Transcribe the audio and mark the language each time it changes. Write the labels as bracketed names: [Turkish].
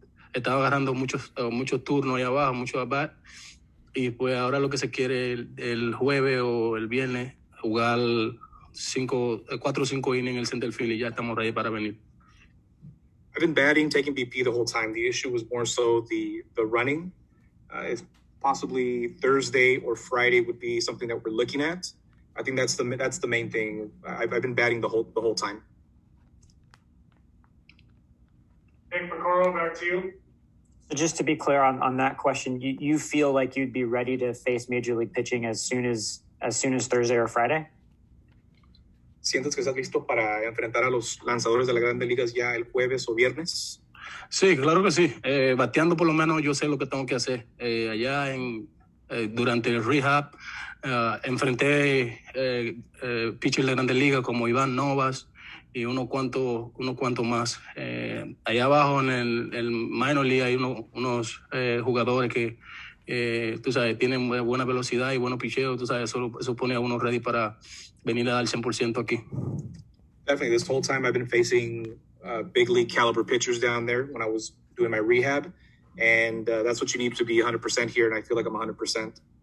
[Spanish] Estaba agarrando muchos turnos ahí abajo, muchos abat, y pues ahora lo que se quiere el jueves o el viernes jugar 4 o 5 innings en el center field y ya estamos ready para venir. [English] I've been batting, taking BP the whole time. The issue was more so the running. It's possibly Thursday or Friday would be something that we're looking at. I think that's the main thing. I've been batting the whole time. Nick McCorro, back to you. So just to be clear on that question, you feel like you'd be ready to face major league pitching as soon as Thursday or Friday? [Spanish] ¿Sientes que estás listo para enfrentar a los lanzadores de las grandes ligas ya el jueves o viernes? Sí, claro que sí. Bateando por lo menos yo sé lo que tengo que hacer. Allá durante el rehab enfrenté pitchers de grandes ligas como Iván Novas y uno cuanto más. Allá abajo en el minor league hay unos jugadores que tú sabes, tienen buena velocidad y buenos picheos, tú sabes, eso pone a uno ready para venir a dar 100% aquí. [English] Definitely, this whole time I've been facing big league caliber pitchers down there when I was doing my rehab, and that's what you need to be 100% here, and I feel like I'm 100%.